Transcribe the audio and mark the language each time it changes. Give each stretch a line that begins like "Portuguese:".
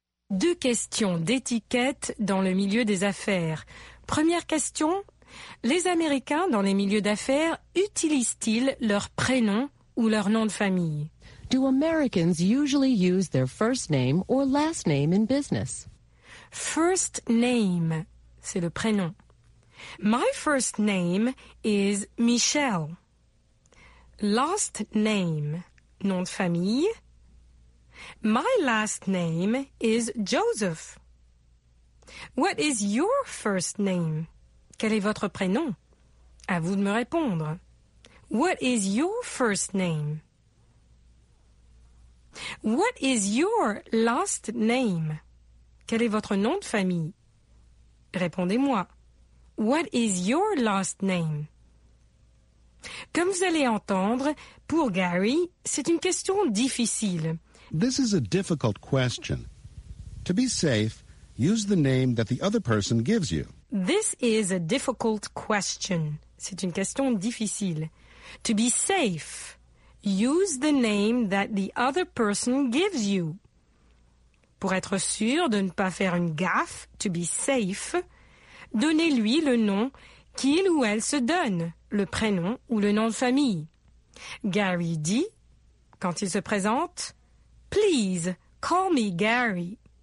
French: Deux questions d'étiquette dans le milieu des affaires. Première question, les Américains dans les milieux d'affaires utilisent-ils leur prénom ou leur nom de famille?
English: Do Americans usually use their first name or last name in business? First name,
French: c'est le prénom.
English: My first name is Michel. Last name,
French: nom de famille.
English: My last name is Joseph. What is your first name?
French: Quel est votre prénom? À vous de me répondre.
English: What is your first name? What is your last name?
French: Quel est votre nom de famille? Répondez-moi.
English: What is your last name?
French: Comme vous allez entendre, pour Gary, c'est une question difficile.
English: This is a difficult question. To be safe, use the name that the other person gives you. This is a difficult question.
French: C'est une question difficile.
English: To be safe, use the name that the other person gives you.
French: Pour être sûr de ne pas faire une gaffe,
English: to be safe,
French: donnez-lui le nom qu'il ou elle se donne, le prénom ou le nom de famille. Gary dit, quand il se présente,
English: Please call me Gary.